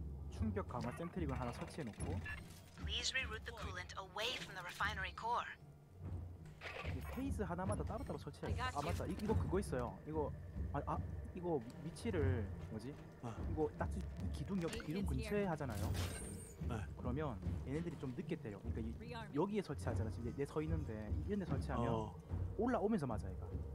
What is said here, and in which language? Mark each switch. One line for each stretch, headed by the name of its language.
Korean: 충격 강화 센트리건 하나 설치해 놓고.
English: Please reroute the coolant away from the refinery core.
Korean: 페이스 하나마다 따로따로 설치해. 아 맞다. 이거 그거 있어요. 이거 아 이거 위치를 뭐지? 이거 딱 기둥 옆 기둥 근처에 하잖아요. 그러면 얘네들이 좀 늦게 때려. 그러니까 여기에 설치하잖아. 지금 내 서 있는데 이런 데 설치하면 올라오면서 맞아 얘가.